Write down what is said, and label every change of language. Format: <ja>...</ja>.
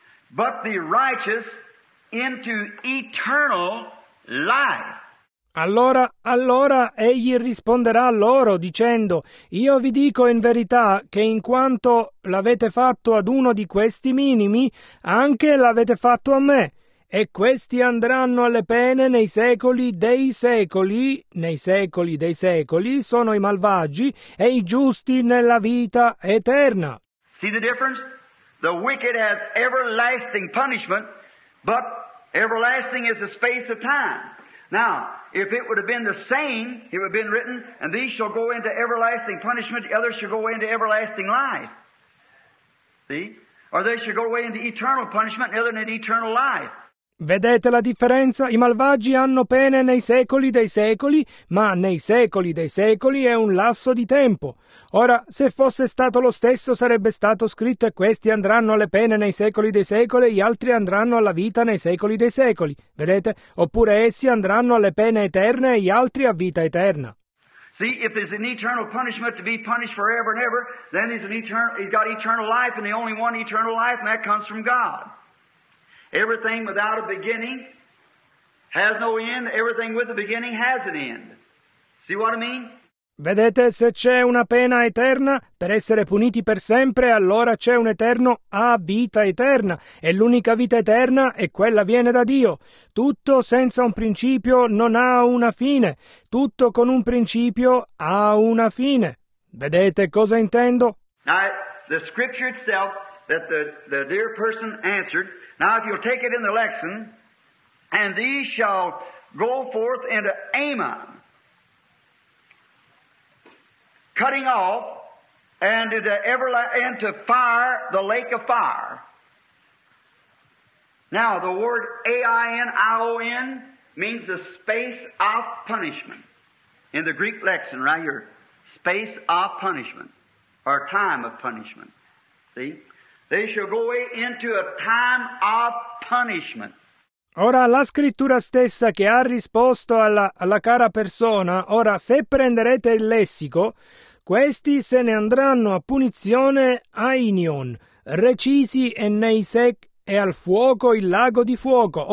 <en>But the righteous into eternal life.</en> <it>Allora egli risponderà loro dicendo, Io vi dico in verità che in quanto l'avete fatto ad uno di questi minimi, anche l'avete fatto a me. E questi andranno alle pene nei secoli dei secoli, nei secoli dei secoli sono i malvagi e i giusti nella vita eterna.</it> <en>See the difference? The wicked has everlasting punishment, but everlasting is a space of time. Now, if it would have been the same, it would have been written, and these shall go into everlasting punishment, the others shall go into everlasting life. See? Or they shall go away into eternal punishment, the other into eternal life.</en> <it>Vedete la differenza? I malvagi hanno pene nei secoli dei secoli, ma nei secoli dei secoli è un lasso di tempo. Ora, se fosse stato lo stesso, sarebbe stato scritto e questi andranno alle pene nei secoli dei secoli e gli altri andranno alla vita nei secoli dei secoli. Vedete? Oppure essi andranno alle pene eterne e gli altri a vita eterna.</it> <en>See, if there's an eternal punishment to be punished forever and ever, then he's got eternal life and the only one eternal life, and that comes from God. Everything without a beginning has no end. Everything with a beginning has an end. See what I mean?</en> <it>Vedete, se c'è una pena eterna, per essere puniti per sempre, allora c'è un eterno a vita eterna. E l'unica vita eterna è quella viene da Dio. Tutto senza un principio non ha una fine. Tutto con un principio ha una fine. Vedete cosa intendo?</it> <en>Now, the scripture itself that the dear person answered, Now if you'll take it in the lexicon, and these shall go forth into Amon, cutting off, and into fire, the lake of fire. Now the word A-I-N-I-O-N means the space of punishment. In the Greek lexicon right here, space of punishment, or time of punishment. See? They shall go away into a time of punishment.</en> <it>Ora la scrittura stessa che ha risposto alla cara persona, ora se prenderete il lessico, questi se ne andranno a punizione a Inion, recisi e nei sec e al fuoco il lago di fuoco.</it>